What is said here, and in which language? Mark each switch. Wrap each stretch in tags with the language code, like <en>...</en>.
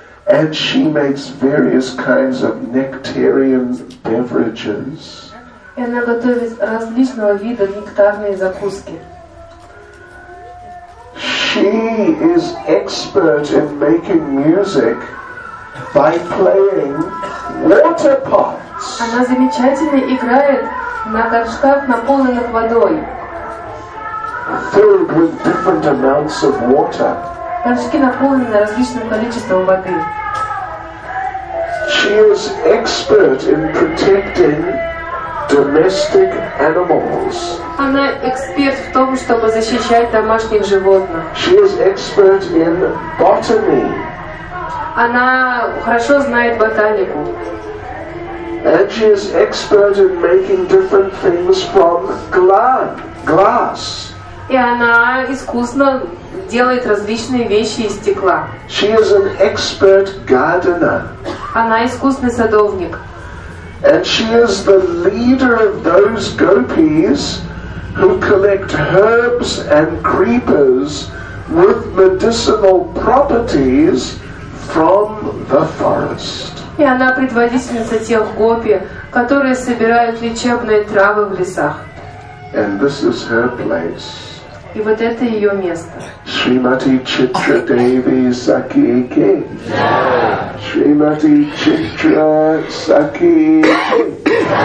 <en>And she makes various kinds of nectarian beverages.</en> <ru>И она готовит различного вида нектарные закуски.</ru> <en>She is expert in making music by playing water pots.</en> <ru>Она замечательно играет на горшках, наполненных водой.</ru> <en>Filled with different amounts of water.</en> <ru>Горшки наполнены различным количеством воды.</ru> <en>She is expert in protecting domestic animals.</en> <ru>Она эксперт в том, чтобы защищать домашних животных.</ru> <en>She is expert in botany.</en> <ru>Она хорошо знает ботанику.</ru> <en>And she is expert in making different things from glass.</en> <ru>И она искусно делает различные вещи из стекла.</ru> <en>She is an expert gardener.</en> <ru>Она искусный садовник.</ru> <en>And she is the leader of those gopis who collect herbs and creepers with medicinal properties from the forest.</en> <ru>И она предводительница тех гопи, которые собирают лечебные травы в лесах.</ru> <en>And this is her place.</en> <ru>И вот это ее место. Шримати Читра Деви Саки Ки. Шримати Читра Саки Ки.</ru>